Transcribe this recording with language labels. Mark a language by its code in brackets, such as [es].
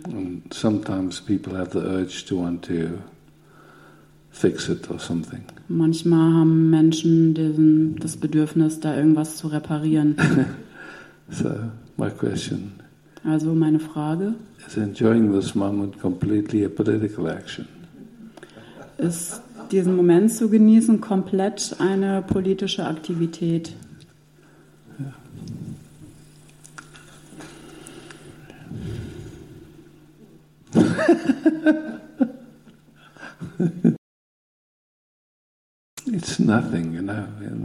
[en] And sometimes people have the urge to want to fix it or something. [de] Manchmal haben Menschen das Bedürfnis, da irgendwas zu reparieren. [en] So, my question. [de] Also meine Frage. [en] Is enjoying this moment completely a political action? [de] Ist diesen Moment zu genießen komplett eine politische Aktivität? [en] It's nothing, you know. In